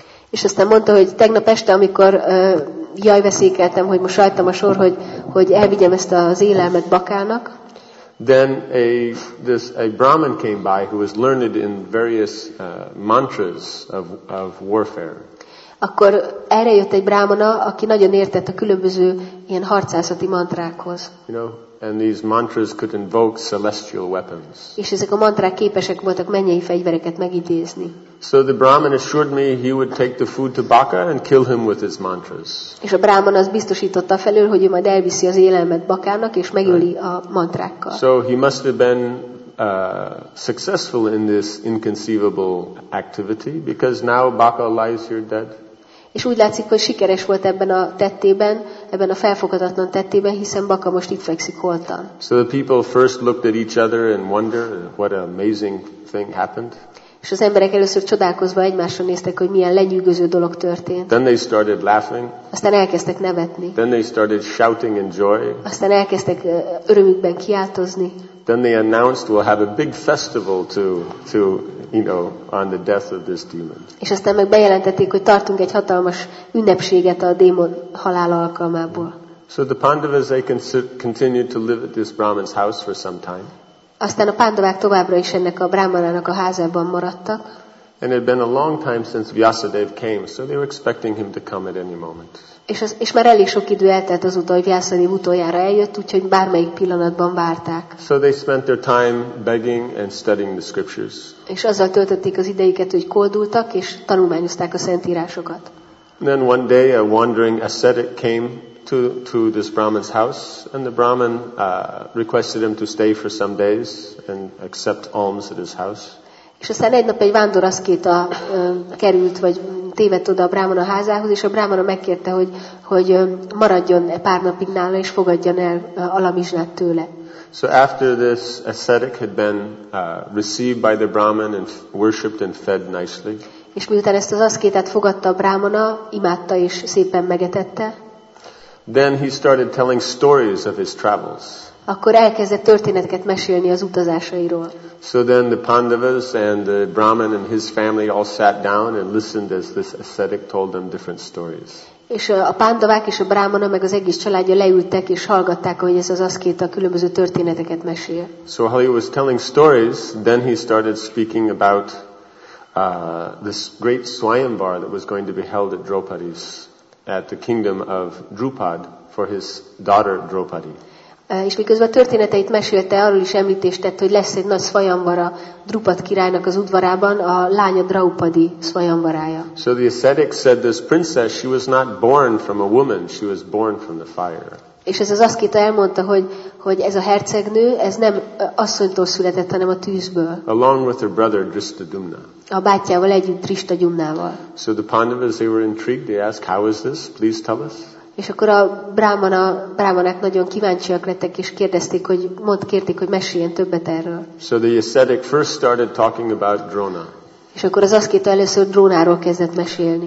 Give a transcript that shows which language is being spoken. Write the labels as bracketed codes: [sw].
[hu] És aztán mondta, hogy tegnap este, amikor jaj veszékeltem, hogy most rajtam a sor, hogy elvigyem ezt az élelmet Bakának. [en] Then a Brahman came by who was learned in various mantras of warfare. [hu] Akkor erre jött egy brámana, aki nagyon értett a különböző ilyen harcászati mantrákhoz. [en] You know, and these mantras could invoke celestial weapons. [hu] És ezek a mantrák képesek voltak mennyei fegyvereket megidézni. [en] So the Brahman assured me he would take the food to Baka and kill him with his mantras. [hu] És a Brahman az biztosította felül, hogy ő majd elviszi az élelmet Bakának és megöli a mantrákkal. [en] So he must have been successful in this inconceivable activity because now Baka lies here dead. [hu] És úgy látszik, hogy sikeres volt ebben a tettében, ebben a felfoghatatlan tettében, hiszen Baka most itt fekszik holtan. [en] So the people first looked at each other and wondered what an amazing thing happened. [hu] És az emberek először csodálkozva egymásra néztek, hogy milyen lenyűgöző dolog történt. [en] Then they started laughing. [hu] Aztán elkezdtek nevetni. [en] Then they started shouting in joy. [hu] Aztán elkezdtek örömükben kiáltozni. [en] Then they announced we'll have a big festival to you know on the death of this demon. [hu] És aztán meg bejelentették, hogy tartunk egy hatalmas ünnepséget a démon halála alkalmából. [en] So the Pandavas they continued to live at this Brahman's house for some time. [hu] Aztán a Pandavák továbbra is ennek a brámanának a házában maradtak. [en] And it had been a long time since Vyasadeva came, so they were expecting him to come at any moment. [hu] És már elég sok idő eltelt azóta, hogy Vyasadeva utoljára eljött, úgyhogy bármelyik pillanatban várták. [en] So they spent their time begging and studying the scriptures. [hu] És azzal töltötték az idejüket, hogy koldultak és tanulmányozták a szentírásokat. [en] Then one day a wandering ascetic came to this Brahmin's house, and the Brahmin requested him to stay for some days and accept alms at his house. [hu] És aztán egy nap egy vándoraszkéta került, vagy tévedt oda a Brahmana házához, és a Brahmana megkérte, hogy maradjon pár napig nála, és fogadjon el alamizsnát tőle. [en] So after this ascetic had been received by the Brahmin and worshipped and fed nicely. [hu] És miután ezt az aszkétát fogadta a Brahmana, imádta és szépen megetette. [en] Then he started telling stories of his travels. [hu] Akkor elkezdett történeteket mesélni az utazásairól. [en] So then the Pandavas and the Brahmin and his family all sat down and listened as this ascetic told them different stories. [hu] És a Pandavák és a Brahmana meg az egész családja leültek és hallgatták, hogy ez az aszkéta különböző történeteket mesél. [en] So while he was telling stories, then he started speaking about this great Swayamvar that was going to be held at Draupadi's, at the kingdom of Drupad for his daughter Draupadi. [hu] És miközben a történeteit mesélte, arról is említést tett, hogy lesz egy nagy szvajanvara Drupad királynak az udvarában, a lánya Draupadi szvajanvarája. [en] So the ascetic said this princess, she was not born from a woman, she was born from the fire. [hu] És ez az aszkéta elmondta, hogy ez a hercegnő, ez nem asszonytól született, hanem a tűzből. [en] Along with her brother Drishtadyumna. [hu] A bátyjával együtt Drishtadyumnával. [en] So the Pandavas, they were intrigued, they asked, how is this, please tell us. [hu] És akkor a brámanák nagyon kíváncsiak lettek, és kérdezték, hogy mondd, kérték, hogy meséljen többet erről. [en] So the ascetic first started talking about Drona. [hu] És akkor az aszkéta először Drónáról kezdett mesélni.